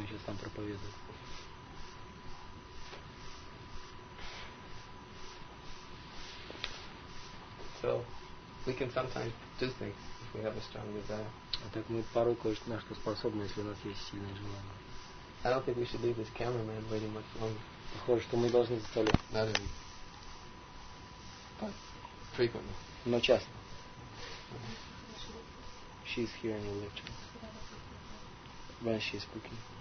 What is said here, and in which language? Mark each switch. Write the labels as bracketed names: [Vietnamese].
[Russian] Он сейчас там проповедует. [English] So we can sometimes do things if we have a strong desire. [Russian] А так мы порой кое-что на что способны, если у нас есть сильное желание. [English] I don't think we should leave this cameraman waiting much longer. [Russian] Похоже, что мы должны заставлять. [English] Not even. But frequently. [Russian] Но часто. [English] She's here in the lecture. When she's cooking.